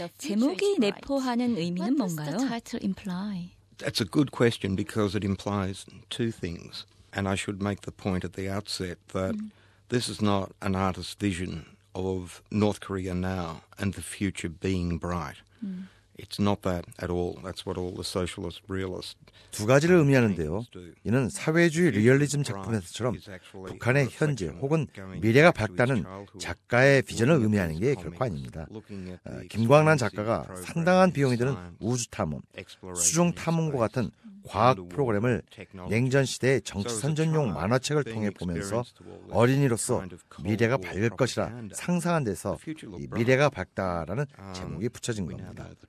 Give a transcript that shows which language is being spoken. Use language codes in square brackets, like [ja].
[ko] 제목이 내포하는 의미는 뭔가요? [en] That's a good question because it implies two things. And I should make the point at the outset that This is not an artist's vision of North Korea now and the future being bright. It's not that at all. That's what all the socialist realists. [ko] 두 가지를 의미하는데요. 이는 사회주의 리얼리즘 작품에서처럼 북한의 현재 혹은 미래가 밝다는 작가의 비전을 의미하는 게 결코 아닙니다. 김광란 작가가 상당한 비용이 드는 우주 탐험, 수중 탐험과 같은 과학 프로그램을 냉전 시대의 정치 선전용 만화책을 통해 보면서 어린이로서 미래가 밝을 것이라 상상한 데서 이 미래가 밝다라는 제목이 붙여진 겁니다.